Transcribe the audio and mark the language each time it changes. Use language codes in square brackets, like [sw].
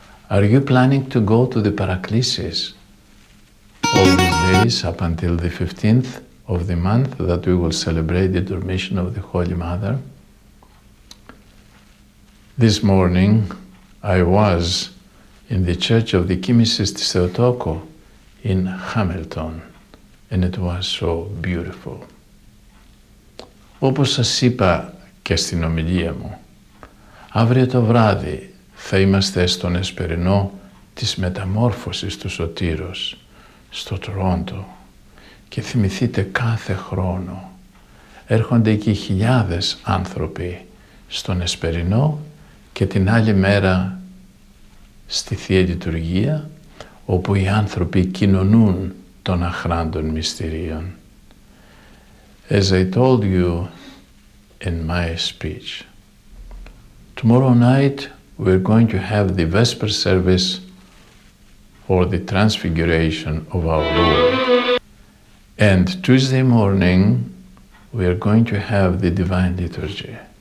[en] Are you planning to go to the Paraclesis all these days up until the 15th of the month that we will celebrate the Dormition of the Holy Mother? This morning I was in the Church of the Chimisis de Seotoco in Hamilton, and it was so beautiful. [el] Όπως σας είπα και στην ομιλία μου, αύριο το βράδυ θα είμαστε στον Εσπερινό της μεταμόρφωσης του Σωτήρος στο Τρόντο και θυμηθείτε κάθε χρόνο έρχονται εκεί χιλιάδες άνθρωποι στον Εσπερινό και την άλλη μέρα στη Θεία Λειτουργία, όπου οι άνθρωποι κοινωνούν των αχράντων μυστηρίων. [en] As I told you in my speech, tomorrow night we're going to have the Vesper service for the Transfiguration of our Lord. And Tuesday morning we are going to have the Divine Liturgy.